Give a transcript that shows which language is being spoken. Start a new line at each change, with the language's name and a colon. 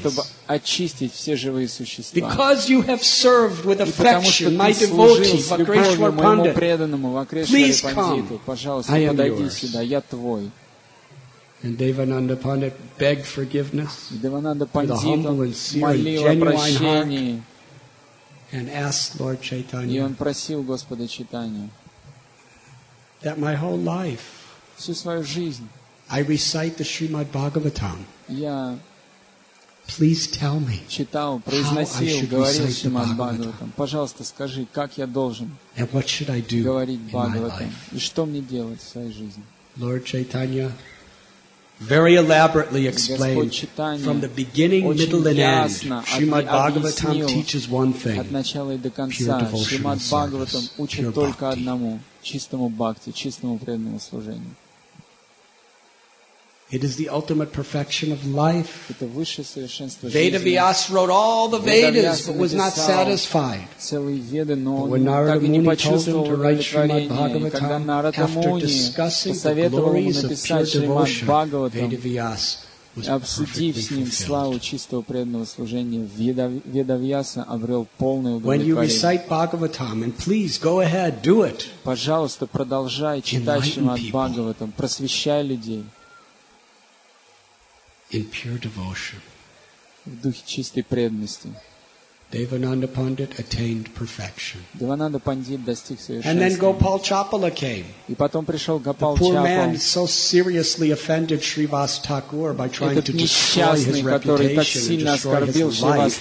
English: Because you have served with affection my devotee, Vakreshwar Pandit, please come. I am yours. And Devananda Pandit begged forgiveness with a humble and sincere, genuine heart and asked Lord Chaitanya,
Russian: и он просил Господа Читанию,
English: that my whole life,
Russian: всю свою жизнь,
English: I recite the Srimad Bhagavatam.
Russian: Я
English: please tell me,
Russian: читал, произносил, говорил Шримад Бхагаватам. Пожалуйста, скажи, как я должен говорить Бхагаватам? И что мне делать в своей жизни?
English: Lord Chaitanya very elaborately explained from the beginning, middle, and end. Srimad Bhagavatam teaches one thing: pure devotion, pure bhakti.
Russian: Чистому бхакти, чистому преданному служению.
English: It is the ultimate perfection of life.
Russian: Это высшее совершенство жизни.
English: Veda Vyas wrote all the Vedas, but was not satisfied.
Russian: Целые Веды, но он так и не почувствовал удовлетворение. Когда Нарада Муни посоветовал ему написать Шримад Бхагаватам, обсудив с ним славу чистого преданного служения, Веда Вьяса обрел полное удовлетворение. Пожалуйста, продолжай читать Шримад Бхагаватам, просвещай людей в духе чистой преданности.
English: Devananda Pandit attained perfection.
Russian: Devananda Pandit достиг совершенства.
English: And then Gopal Chapala came.
Russian: И потом пришел Гопал Чапала.
English: The poor man so seriously offended Shrivas Thakur by trying to destroy his reputation and destroy his life.